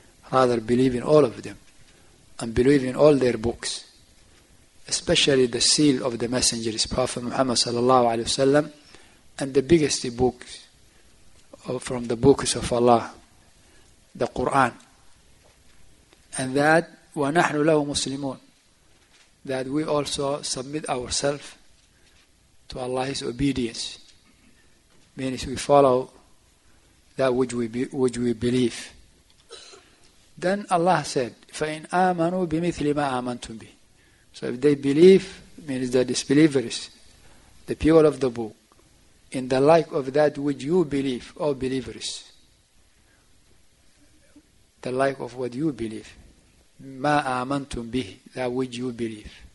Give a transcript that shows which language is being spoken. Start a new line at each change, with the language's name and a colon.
English: Rather, believe in all of them and believe in all their books, especially the seal of the messengers, Prophet Muhammad sallallahu alaihi wasallam, and the biggest books from the books of Allah, the Quran. And that
Arabic: وَنَحْنُ لَهُ مُسْلِمُونَ,
English: that we also submit ourselves to Allah's obedience, means we follow that which we believe. Then Allah said,
Arabic: فَإِنْ آمَنُوا بِمِثْلِ مَا آمَنْتُمْ بِهِ.
English: So if they believe, means the disbelievers, the people of the book, in the like of that which you believe, O believers, the like of what you believe,
Arabic: مَا آمَنْتُمْ بِهِ,
English: that which you believe.